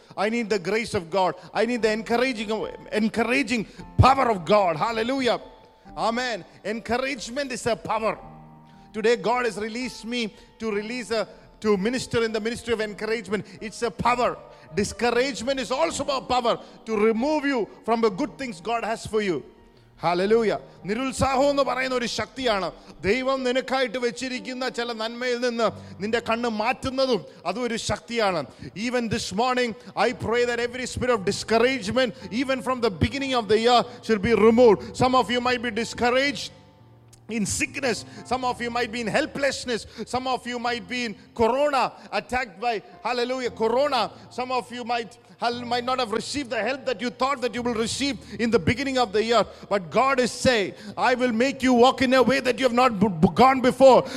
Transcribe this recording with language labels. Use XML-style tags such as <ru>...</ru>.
<en>I need the grace of God. I need the encouraging power of God. Hallelujah. Amen. Encouragement is a power. Today God has released me to minister in the ministry of encouragement. It's a power. Discouragement is also a power to remove you from the good things God has for you. Hallelujah.</en> <ml>നിരുത്സാഹം എന്ന് പറയുന്ന ഒരു ശക്തിയാണ്. ദൈവം നിനക്കായിട്ട് വെച്ചിരിക്കുന്ന ചില നന്മയിൽ നിന്ന് നിന്റെ കണ്ണ് മാറ്റുന്നതും അതും ഒരു ശക്തിയാണ്.</ml> <en>Even this morning I pray that every spirit of discouragement even from the beginning of the year should be removed. Some of you may be discouraged in sickness, some of you might be in helplessness, some of you might be in corona, attacked by, hallelujah, corona, some of you might not have received the help that you thought that you will receive in the beginning of the year, but God is saying, I will make you walk in a way that you have not gone before.</en>